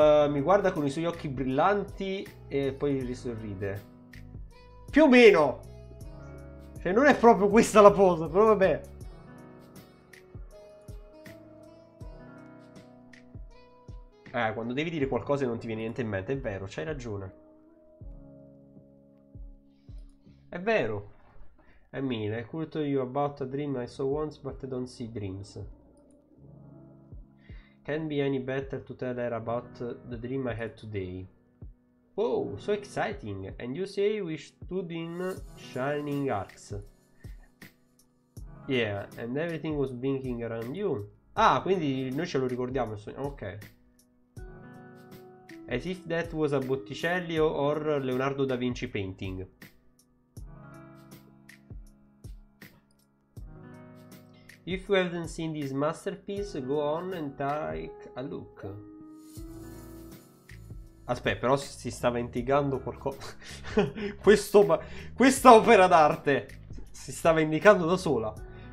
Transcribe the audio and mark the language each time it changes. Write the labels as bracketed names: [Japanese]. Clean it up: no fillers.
[Italian] Mi guarda con i suoi occhi brillanti e poi risorride. Più o meno! Cioè, non è proprio questa la posa, però vabbè. Quando devi dire qualcosa e non ti viene niente in mente, è vero, c'hai ragione. È vero. [English] I mean, I could tell you about a dream I saw once, but I don't see dreams. Can't be any better to tell her about the dream I had today. Wow, so exciting. And you say we stood in shining arcs. Yeah, and everything was blinking around you. [Italian] Quindi noi ce lo ricordiamo. Ok. [English] As if that was a Botticelli or Leonardo da Vinci painting. If you haven't seen this masterpiece, go on and take a look. [Italian] Aspetta, però si sta vendicando qualcosa. questa opera d'arte si sta vendicando da sola.